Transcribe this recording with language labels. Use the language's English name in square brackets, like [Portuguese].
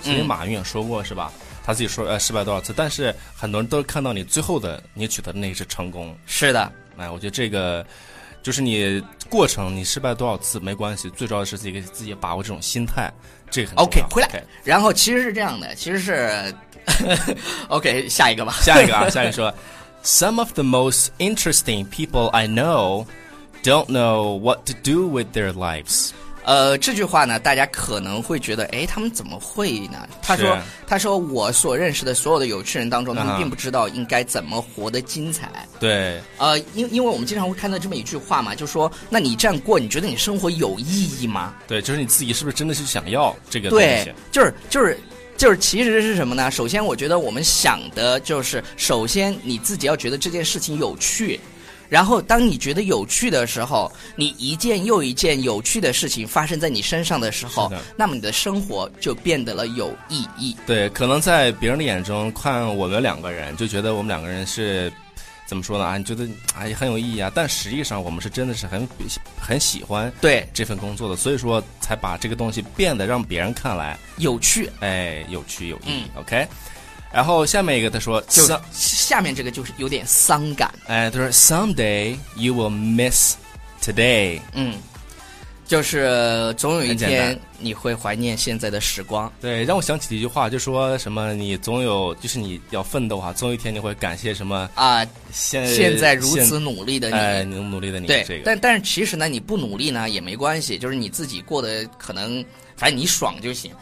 [Chinese] 其实马云也说过是吧，他自己说失败多少次，但是很多人都看到你最后的你取得的那一次成功。是的。我觉得这个就是你过程你失败多少次没关系，最重要的是自己把握这种心态，这个很重要。 OK 回来。 [English] okay. [Chinese] 然后其实是这样的，其实是OK 下一个吧。下一个啊，下一个说 [English] Some of the most interesting people I know don't know what to do with their lives. [Chinese] 这句话呢大家可能会觉得哎，他们怎么会呢他说我所认识的所有的有趣人当中他们并不知道应该怎么活得精彩对因为我们经常会看到这么一句话嘛就说那你这样过你觉得你生活有意义吗对就是你自己是不是真的是想要这个东西对就是其实是什么呢首先我觉得我们想的就是首先你自己要觉得这件事情有趣然后当你觉得有趣的时候你一件又一件有趣的事情发生在你身上的时候的那么你的生活就变得了有意义对可能在别人的眼中看我们两个人就觉得我们两个人是怎么说呢啊，你觉得哎很有意义啊但实际上我们是真的是很喜欢对这份工作的所以说才把这个东西变得让别人看来有趣哎有趣有意义、嗯、OK然后下面一个他说就下面这个就是有点伤感哎他说 [English] Someday you will miss today [Chinese] 嗯就是总有一天你会怀念现在的时光对让我想起一句话就说什么你总有就是你要奋斗啊总有一天你会感谢什么啊、现在如此努力的你、努力的你对、这个、但是其实呢你不努力呢也没关系就是你自己过得可能反正你爽就行